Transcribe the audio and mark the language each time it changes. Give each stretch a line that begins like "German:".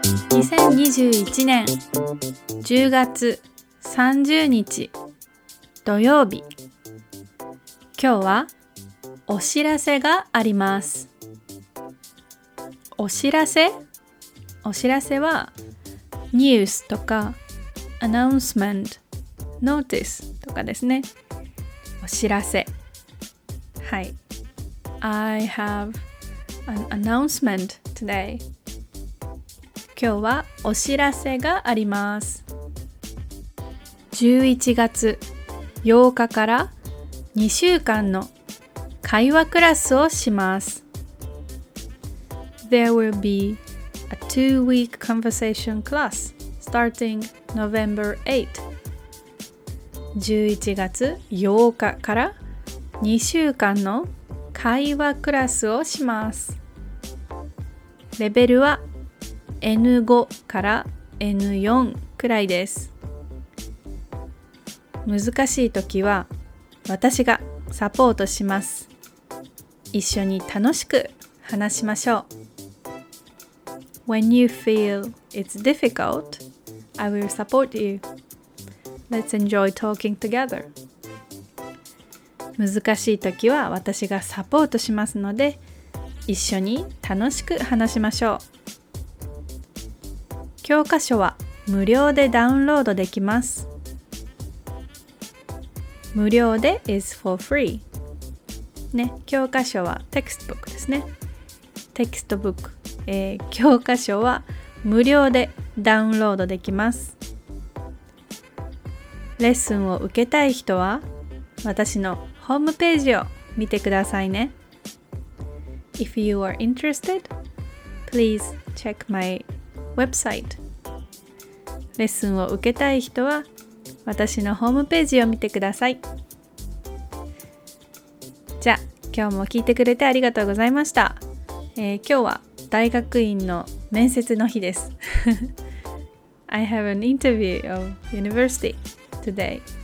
Japanese: 2021年10月30日土曜日、今日はお知らせがあります。お知らせはニュースとかアナウンスメント、ノーティスとかですね。お知らせ、はい。
English: I have an announcement today.
Japanese: 今日はお知らせがあります。11月8日から2週間の会話クラスをします。
English: There will be a two-week conversation class starting November 8th.
Japanese: 11月8日から2週間の会話クラスをします。レベルは N5 から N4 くらいです。難しい時は私がサポートします。一緒に楽しく話しましょう。
English: When you feel it's difficult, I will support you. Let's enjoy talking together.
Japanese: 難しい時は私がサポートしますので、一緒に楽しく話しましょう。教科書は無料でダウンロードできます。無料で
English: is for free
Japanese: ね、教科書は textbook ですね。 textbook、教科書は無料でダウンロードできます。レッスンを受けたい人は私のホームページを見てくださいね。
English: If you are interested, please check my website.
Japanese: レッスンを受けたい人は私のホームページを見てください。じゃあ今日も聞いてくれてありがとうございました。今日は大学院の面接の日です。
English: I have an interview of university today.